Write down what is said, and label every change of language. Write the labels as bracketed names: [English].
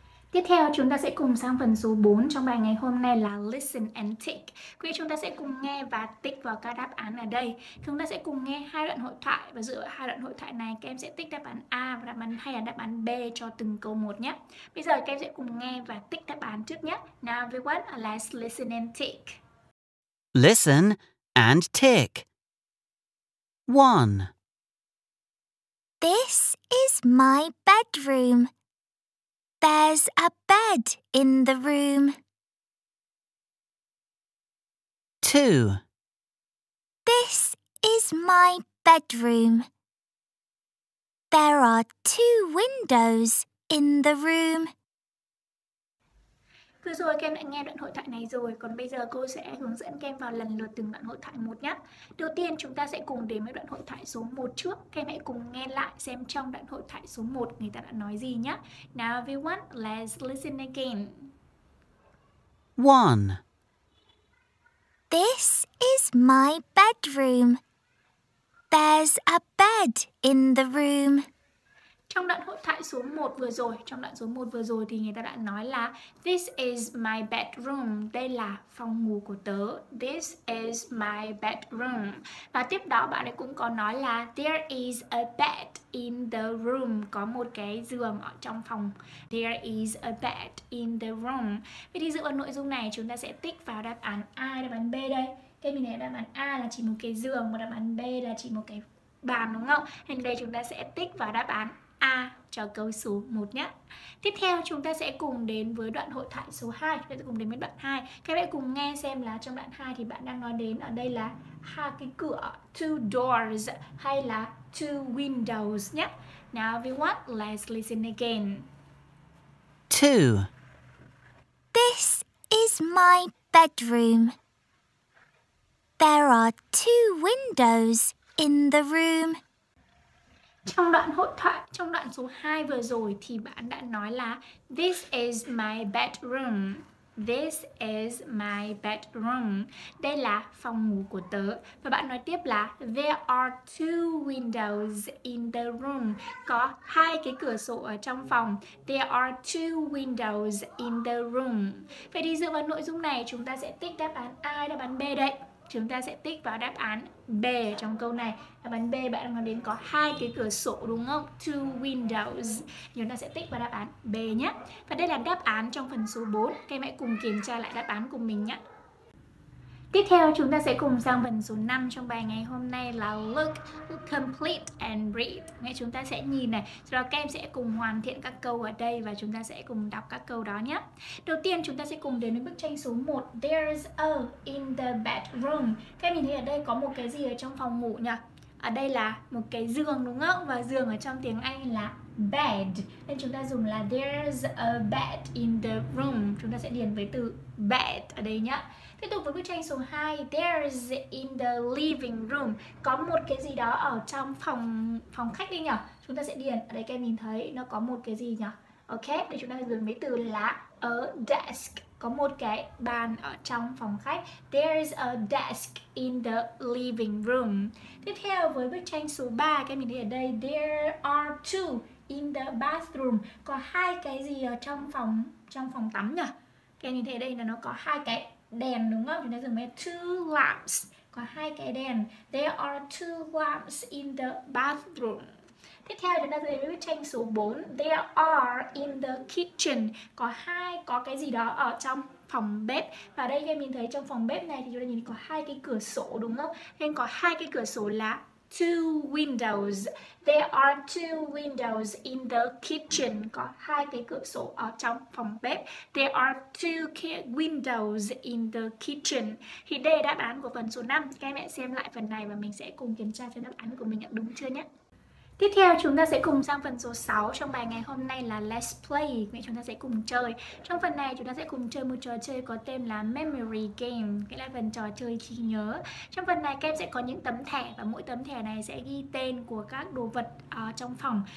[Vietnamese] Tiếp theo chúng ta sẽ cùng sang phần số 4 trong bài ngày hôm nay là [English] listen and tick. [Vietnamese] Quý vị chúng ta sẽ cùng nghe và tick vào các đáp án ở đây. Chúng ta sẽ cùng nghe hai đoạn hội thoại và dựa vào hai đoạn hội thoại này các em sẽ tick đáp án A và đáp án hay là đáp án B cho từng câu một nhé. Bây giờ các em sẽ cùng nghe và tick đáp án trước nhé. [English] Now everyone, let's listen and tick. Listen and tick. 1. This is my bedroom. There's a bed in the room. 2. This is my bedroom. There are two windows in the room. [Vietnamese] Vừa rồi các em đã nghe đoạn hội thoại này rồi, còn bây giờ cô sẽ hướng dẫn các em vào lần lượt từng đoạn hội thoại một nhé. Đầu tiên chúng ta sẽ cùng đến với đoạn hội thoại số 1 trước. Các em hãy cùng nghe lại xem trong đoạn hội thoại số 1 người ta đã nói gì nhé. [English] Now everyone, let's listen again. 1. This is my bedroom. There's a bed in the room. [Vietnamese] Trong đoạn hội thoại số 1 vừa rồi, trong đoạn số 1 vừa rồi thì người ta đã nói là [English] this is my bedroom, [Vietnamese] đây là phòng ngủ của tớ. [English] This is my bedroom. [Vietnamese] Và tiếp đó bạn ấy cũng có nói là [English] there is a bed in the room, [Vietnamese] có một cái giường ở trong phòng. [English] There is a bed in the room. [Vietnamese] Vậy thì dựa vào nội dung này chúng ta sẽ tích vào đáp án A, đáp án B đây. Thế mình thấy đáp án A là chỉ một cái giường, và đáp án B là chỉ một cái bàn đúng không? Nên đây chúng ta sẽ tích vào đáp án A cho câu số 1 nhé. Tiếp theo chúng ta sẽ cùng đến với đoạn hội thoại số 2. Chúng ta sẽ cùng đến với đoạn 2. Các bạn cùng nghe xem là trong đoạn 2 thì bạn đang nói đến ở đây là hai cái cửa, [English] two doors [Vietnamese] hay là [English] two windows [Vietnamese] nhé. [English] Now everyone, let's listen again. 2. This is my bedroom. There are two windows in the room. [Vietnamese] Trong đoạn hội thoại, trong đoạn số 2 vừa rồi thì bạn đã nói là [English] this is my bedroom. This is my bedroom. [Vietnamese] Đây là phòng ngủ của tớ. Và bạn nói tiếp là [English] there are two windows in the room. [Vietnamese] Có hai cái cửa sổ ở trong phòng. [English] There are two windows in the room. [Vietnamese] Vậy thì dựa vào nội dung này chúng ta sẽ tích đáp án A, đáp án B đấy. Chúng ta sẽ tích vào đáp án B trong câu này. Đáp án B bạn nói đến có hai cái cửa sổ đúng không? [English] Two windows. [Vietnamese] Chúng ta sẽ tích vào đáp án B nhé. Và đây là đáp án trong phần số 4. Các em hãy cùng kiểm tra lại đáp án của mình nhé. Tiếp theo chúng ta sẽ cùng sang phần số 5 trong bài ngày hôm nay là [English] look complete and read. [Vietnamese] Ngay chúng ta sẽ nhìn này, sau đó các em sẽ cùng hoàn thiện các câu ở đây và chúng ta sẽ cùng đọc các câu đó nhé. Đầu tiên chúng ta sẽ cùng đến với bức tranh số 1. [English] There's a in the bedroom. [Vietnamese] Các em nhìn thấy ở đây có một cái gì ở trong phòng ngủ nhỉ? Ở đây là một cái giường đúng không? Và giường ở trong tiếng Anh là bed. Nên chúng ta dùng là [English] there's a bed in the room. [Vietnamese] Chúng ta sẽ điền với từ bed ở đây nhá. Tiếp tục với bức tranh số 2. [English] There's in the living room. [Vietnamese] Có một cái gì đó ở trong phòng khách đi nhỉ? Chúng ta sẽ điền. Ở đây các em nhìn thấy nó có một cái gì nhỉ? Ok, để chúng ta dùng với từ là [English] a desk. [Vietnamese] Có một cái bàn ở trong phòng khách. [English] There is a desk in the living room. [Vietnamese] Tiếp theo với bức tranh số 3, các em nhìn thấy ở đây [English] there are two in the bathroom. [Vietnamese] Có hai cái gì ở trong phòng tắm nhỉ? Các em nhìn thấy ở đây là nó có hai cái đèn đúng không? Chúng ta dùng với [English] two lamps. [Vietnamese] Có hai cái đèn. [English] There are two lamps in the bathroom. [Vietnamese] Tiếp theo chúng ta sẽ đến với bức tranh số 4. [English] There are in the kitchen. [Vietnamese] Có cái gì đó ở trong phòng bếp. Và đây các em nhìn thấy trong phòng bếp này thì chúng ta nhìn thấy có hai cái cửa sổ đúng không? Nên có hai cái cửa sổ là [English] two windows. There are two windows in the kitchen. [Vietnamese] Có hai cái cửa sổ ở trong phòng bếp. [English] There are two windows in the kitchen. [Vietnamese] Thì đây là đáp án của phần số 5. Các em hãy xem lại phần này và mình sẽ cùng kiểm tra xem đáp án của mình đúng chưa nhé. Tiếp theo chúng ta sẽ cùng sang phần số 6 trong bài ngày hôm nay là [English] Let's Play. [Vietnamese] Vậy chúng ta sẽ cùng chơi. Trong phần này chúng ta sẽ cùng chơi một trò chơi có tên là Memory Game. Nghĩa là phần trò chơi trí nhớ. Trong phần này các em sẽ có những tấm thẻ và mỗi tấm thẻ này sẽ ghi tên của các đồ vật trong phòng.